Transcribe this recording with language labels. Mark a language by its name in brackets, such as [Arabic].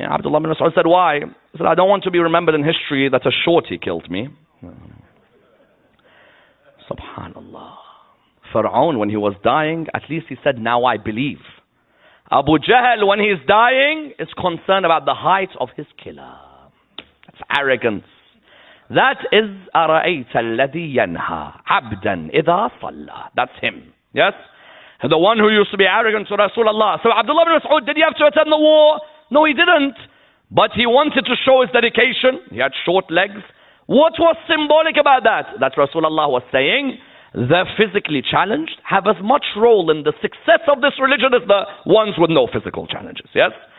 [English] Abdullah bin Mas'ud said, "Why?" He said, "I don't want to be remembered in history that a shorty killed me." Subhanallah. Fir'aun, when he was dying, at least he said, "Now I believe." Abu Jahl, when he's dying, is concerned about the height of his killer. That's arrogance. That is [Arabic] أَرَأَيْتَ الَّذِي يَنْهَى عَبْدًا إِذَا صَلَّى. [English] That's him. Yes? The one who used to be arrogant to Rasulullah. So Abdullah bin Mas'ud, did he have to attend the war? No, he didn't. But he wanted to show his dedication. He had short legs. What was symbolic about that? That Rasulullah was saying, the physically challenged have as much role in the success of this religion as the ones with no physical challenges. Yes?